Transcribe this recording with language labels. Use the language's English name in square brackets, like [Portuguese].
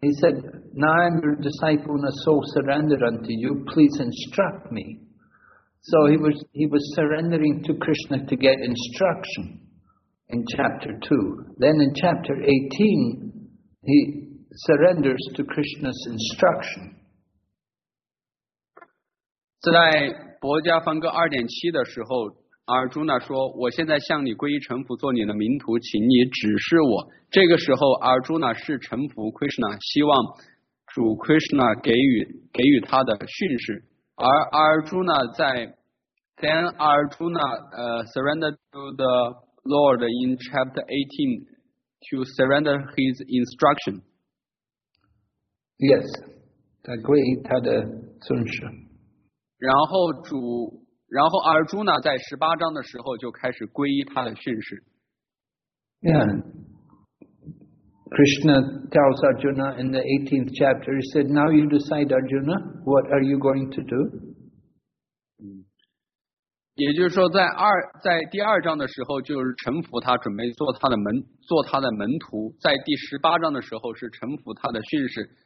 [English] He said, now I'm your disciple and a soul surrendered unto you. Please instruct me. So he was surrendering to Krishna to get instruction in chapter 2. Then in chapter 18, he surrenders to Krishna's instruction. [Chinese] 在薄伽梵歌 2.7 的时候，阿尔朱纳说：“我现在向你皈依臣服，做你的名徒，请你指示我。” 这个时候，阿尔朱纳是臣服 Krishna， 希望主 Krishna 给予他的训示。而阿尔朱纳在 [English] Then Arjuna surrendered to the Lord in chapter 18 to surrender his instruction. [Chinese] Yes, 他皈依他的训示。然后阿尔朱纳在十八章的时候就开始皈依他的训示。 Yeah. [English] Krishna tells Arjuna in the 18th chapter, he said, now you decide, Arjuna, what are you going to do? [Chinese] 也就是说在第二章的时候就是臣服他，准备做他的门徒，在第十八章的时候是臣服他的训示。